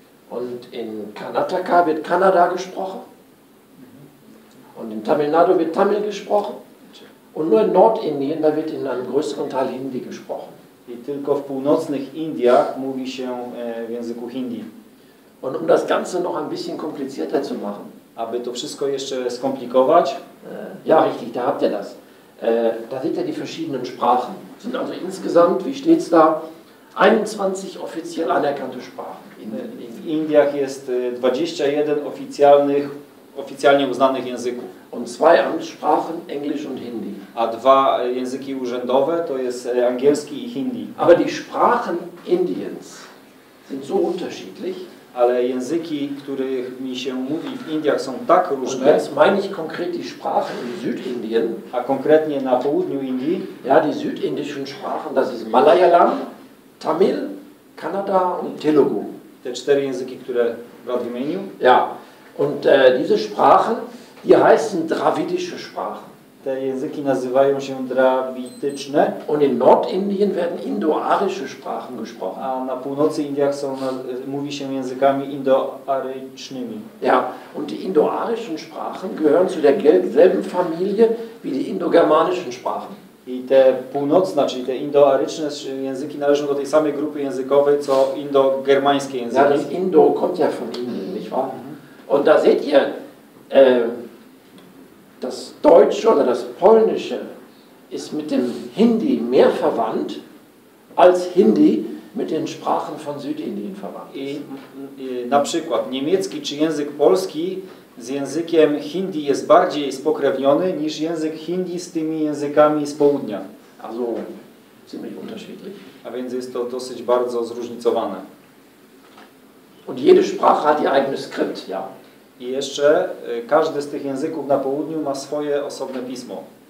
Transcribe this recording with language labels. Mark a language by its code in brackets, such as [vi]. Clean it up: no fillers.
[de] Und in Karnataka wird Kannada gesprochen und in Tamil Nadu wird Tamil gesprochen und nur in Nordindien, da wird in einem größeren Teil Hindi gesprochen. [pl] I tylko w północnych Indiach mówi się w języku Hindi. [de] Und um das Ganze noch ein bisschen komplizierter zu machen. [pl] Aby to wszystko jeszcze skomplikować. [de] Ja, richtig, da habt ihr das. Da seht ihr die verschiedenen Sprachen. Es sind also insgesamt, wie steht's da, 21 offiziell anerkannte Sprachen. [pl] W Indiach jest 21 oficjalnie uznanych języków. [de] Und zwei Amtssprachen, Englisch und Hindi. [pl] A dwa języki urzędowe to jest angielski i Hindi. [de] Aber die Sprachen Indiens sind so unterschiedlich. [pl] Ale języki, których mi się mówi w Indiach, są tak różne. [de] Und jetzt meine ich konkret die Sprachen in Südindien. [pl] A konkretnie na południu Indii. [de] Ja, die südindischen Sprachen, das ist Malayalam, Tamil, Kannada und Telugu. [pl] Te cztery języki, które brat wymienił. [de] Ja, und diese Sprachen, die heißen dravidische Sprachen. [pl] Te języki nazywają się drawityczne. [de] Und in Nordindien werden indoaryjskie Sprachen gesprochen. [pl] A na północy Indiach mówi się językami indoaryjskimi. [de] Ja, und die indoaryjskie Sprachen gehören zu der selben Familie wie die indogermanischen Sprachen. [pl] I te północne, czyli te indoaryjskie języki należą do tej samej grupy językowej co indogermańskie języki. [de] Ja, das Indo kommt ja von Indien, nicht wahr? Und da seht ihr das Deutsche oder das Polnische ist mit dem Hindi mehr verwandt als Hindi mit den Sprachen von Südindien verwandt. [pl] I na przykład niemiecki czy język polski z językiem Hindi jest bardziej spokrewniony niż język Hindi z tymi językami z południa. [de] Also ziemlich unterschiedlich. [pl] A więc jest to dosyć bardzo zróżnicowane. [de] Und jede Sprache hat ihr eigenes Skript, ja. [pl] I jeszcze każdy z tych języków na południu ma swoje osobne pismo.